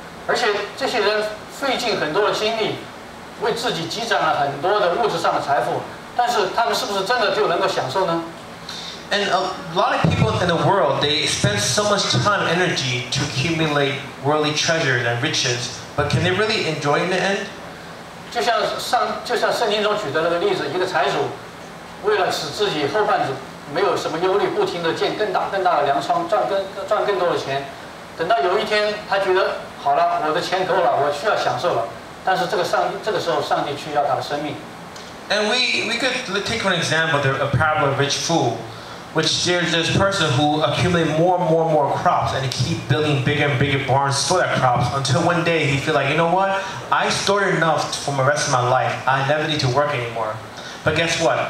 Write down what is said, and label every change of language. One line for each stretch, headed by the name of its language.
English: And a lot of people in the world, they spend so much time and energy to accumulate worldly treasures and riches, but can they really enjoy in the end?
Chinese: 就像圣经中举的那个例子, 一个财主, 为了使自己后半子, 没有什么忧虑, 不停地建更大的粮仓, 赚更多的钱, 等到有一天, 他觉得, 好了, 我的钱够了, 我需要享受了, 但是这个上, 这个时候上帝却要他的生命。
English: And we could take an example, the parable of rich fool, which there's this person who accumulate more and more and more crops and keep building bigger and bigger barns, store that crops until one day he feel like, you know what? I stored enough for the rest of my life. I never need to work anymore. But guess what?